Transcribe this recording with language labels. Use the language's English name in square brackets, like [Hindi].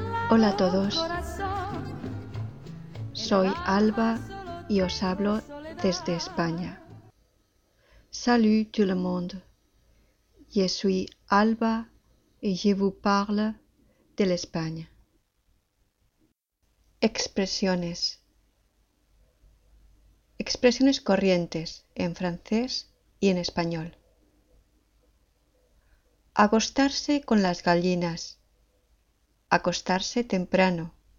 [Spanish] Hola a todos, soy Alba y os hablo desde España. [French] Salut tout le monde, je suis Alba y je vous parle de l'Espagne. [Spanish] Expresiones. Expresiones corrientes en francés y en español. Acostarse con las gallinas. Acostarse temprano.